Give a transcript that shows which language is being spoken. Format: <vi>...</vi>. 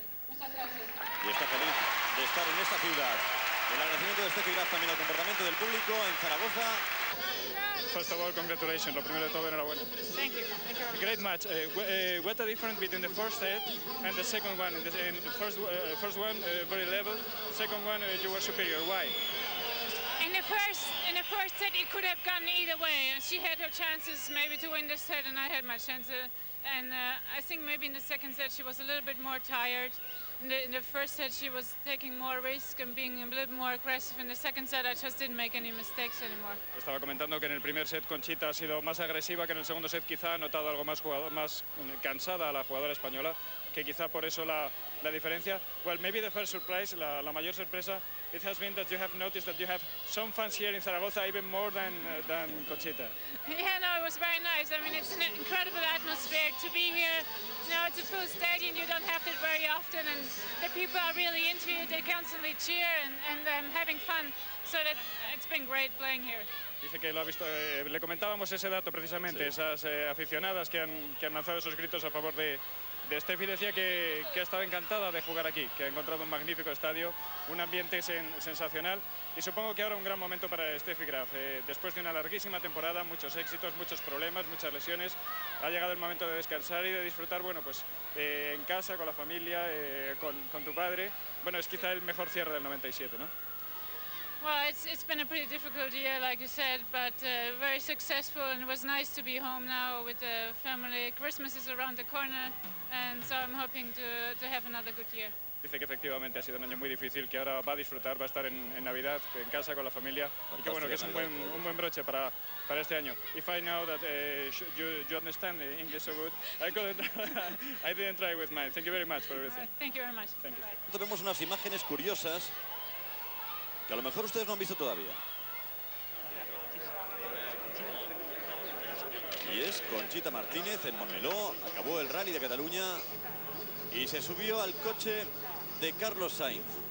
<es>Y está feliz de estar en esta ciudad. El agradecimiento de Steffi Graf también al comportamiento del público en Zaragoza.</es> <en>First of all, congratulations.</en> <es>Lo primero de todo, enhorabuena.</es> <en>Thank you. Thank you. Great match. What's the difference between the first set and the second one? In the first one, very level. Second one, you were superior. Why? In the first set, it could have gone either way. She had her chances maybe to win the set, and I had my chances. And I think maybe in the second set, she was a little bit more tired. In the first set, she was taking more risk and being a little more aggressive. In the second set, I just didn't make any mistakes anymore.</en> <es>Estaba comentando que en el primer set Conchita ha sido más agresiva que en el segundo set. Quizá ha notado algo más cansada a la jugadora española, que quizá por eso la diferencia.</es> <en>Well, maybe the first surprise,</en> <es>la mayor sorpresa,</es> <en>it has been that you have noticed that you have some fans here in Zaragoza, even more than Conchita. Yeah, no, it was very nice. I mean, it's an incredible atmosphere to be here. No, it's a full stadium, you don't have that very often, and the people are really into it, they constantly cheer and having fun, so that it's been great playing here.</en> <es>Dice que lo ha visto, le comentábamos ese dato precisamente, sí. Esas aficionadas que han lanzado esos gritos a favor de Steffi, decía que estaba encantada de jugar aquí, que ha encontrado un magnífico estadio, un ambiente sensacional, y supongo que ahora un gran momento para Steffi Graf. Después de una larguísima temporada, muchos éxitos, muchos problemas, muchas lesiones, ha llegado el momento de descansar y de disfrutar, bueno, pues en casa, con la familia, con tu padre. Bueno, es quizá el mejor cierre del 97, ¿no?</es> <en>Well, it's been a pretty difficult year, like you said, but very successful, and it was nice to be home now with the family. Christmas is around the corner, and so I'm hoping to have another good year.</en> <es>Dice que efectivamente ha sido un año muy difícil, que ahora va a disfrutar, va a estar en Navidad, en casa con la familia. Fantástica, y que bueno, que es un buen broche para este año.</es> <en>If I know that you understand the English so good, I didn't try with mine. Thank you very much for everything. Thank you very much. Thank you. Bye-bye.</en> <es>Tenemos unas imágenes curiosas que a lo mejor ustedes no han visto todavía. Y es Conchita Martínez en Montmeló. Acabó el Rally de Cataluña y se subió al coche de Carlos Sainz.</es>